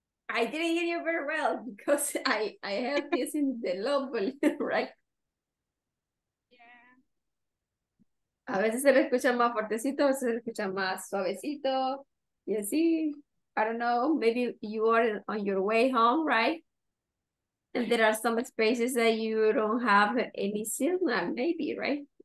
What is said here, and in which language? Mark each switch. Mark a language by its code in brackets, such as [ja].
[en] I didn't hear you very well because I have this in the local, right? [es] A veces se le escucha más fuertecito, a veces se le escucha más suavecito. Y así, [en] I don't know, maybe you are on your way home, right? And there are some spaces that you don't have any signal, maybe, right?